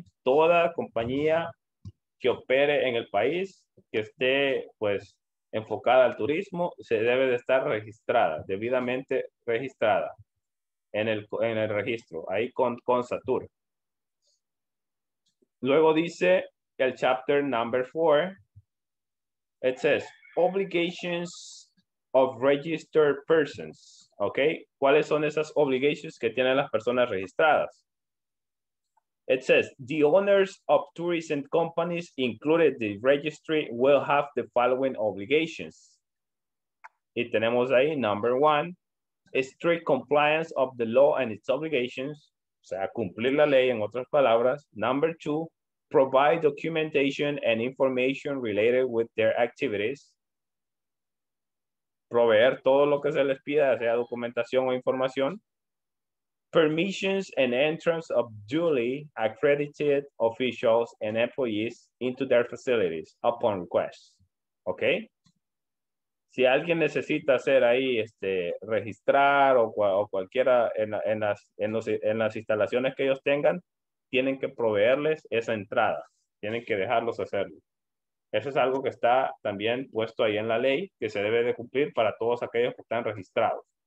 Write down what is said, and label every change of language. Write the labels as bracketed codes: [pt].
[es] Toda compañía que opere en el país, que esté, pues, enfocada al turismo, se debe de estar registrada, debidamente registrada en el registro, ahí con SATUR. Luego dice el [en] chapter number 4, it says, obligations of registered persons. [es] Okay, ¿cuáles son esas obligaciones que tienen las personas registradas? [en] It says, the owners of tourism companies included in the registry will have the following obligations. [es] Y tenemos ahí, [en] number one, strict compliance of the law and its obligations, [es] o sea, cumplir la ley en otras palabras. [en] Number two, provide documentation and information related with their activities. [es] Proveer todo lo que se les pida, sea documentación o información. [en] Permissions and entrance of duly accredited officials and employees into their facilities upon request. ¿Ok? [es] Si alguien necesita hacer ahí, registrar o cualquiera en las instalaciones que ellos tengan, tienen que proveerles esa entrada. Tienen que dejarlos hacerlo. Eso es algo que está también puesto ahí en la ley que se debe de cumplir para todos aquellos que están registrados.